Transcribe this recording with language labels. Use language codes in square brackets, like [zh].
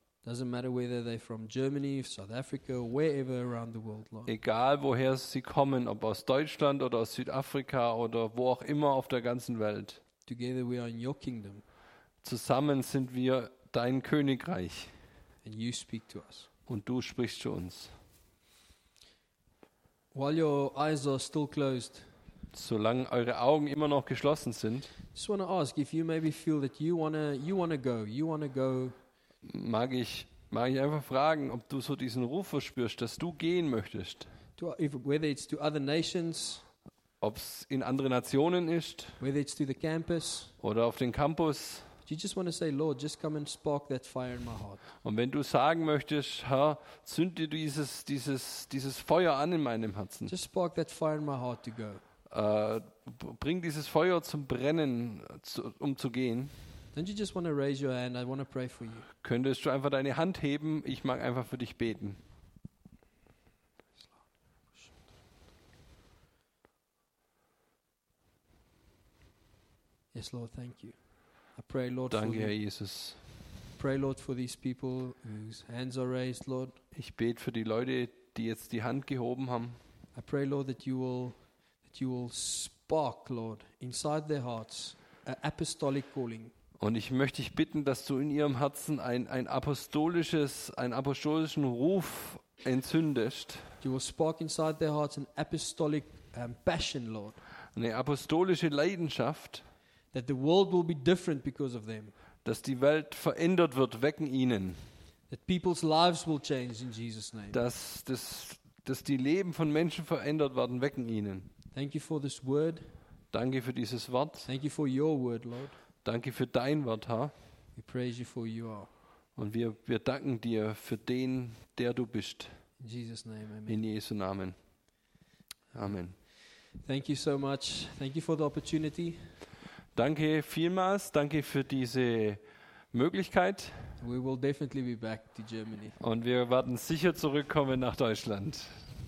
[en] Doesn't matter whether they're from Germany, South Africa, or wherever around the world, Lord. [de] Egal woher sie kommen, ob aus Deutschland oder aus Südafrika oder wo auch immer auf der ganzen Welt. [en] Together we are in your kingdom. [de] Zusammen sind wir dein Königreich. [en] And you speak to us. [de] Und du sprichst zu uns. [en] While your eyes are still closed. [de] Solange eure Augen immer noch geschlossen sind. [en] I just want to ask if you maybe feel that you want to go. [de] Mag ich einfach fragen, ob du so diesen Ruf verspürst, dass du gehen möchtest. [en] Whether it's to other nations. [de] Ob es in andere Nationen ist. [en] Whether it's to the campus. [de] Oder auf den Campus. [en] You just want to say, Lord, just come and spark that fire in my heart. [de] Und wenn du sagen möchtest, Herr, zünd dir dieses Feuer an in meinem Herzen. [en] Just spark that fire in my heart to go. [de] Bring dieses Feuer zum Brennen, um zu gehen. [en] Don't you just want to raise your hand? I want to pray for you. [de] Könntest du einfach deine Hand heben? Ich mag einfach für dich beten. [en] Yes, Lord, thank you. I pray, Lord. [de] Danke, Herr Jesus. [en] Pray, Lord, for these people whose hands are raised, Lord. [de] Ich bete für die Leute, die jetzt die Hand gehoben haben. [en] I pray, Lord, that you will spark, Lord, inside their hearts, an apostolic calling. [de] Und ich möchte dich bitten, dass du in ihrem Herzen einen apostolischen Ruf entzündest. [en] You will spark inside their hearts an apostolic passion, Lord. [de] Eine apostolische Leidenschaft. [en] That the world will be different because of them. [de] Dass die Welt verändert wird wegen ihnen. [en] That people's lives will change in Jesus' name. [de] Dass die Leben von Menschen verändert werden wegen ihnen. [en] Thank you for this word. [de] Danke für dieses Wort. [en] Thank you for your word, Lord. [de] Danke für dein Wort, Herr. [en] We praise you for who you are. [de] Und wir danken dir für den, der du bist. [en] In Jesus' name, amen. [de] In Jesu Namen. Amen. [en] Thank you so much. Thank you for the opportunity. [de] Danke vielmals. Danke für diese Möglichkeit. [en] We will definitely be back to Germany. [de] Und wir werden sicher zurückkommen nach Deutschland.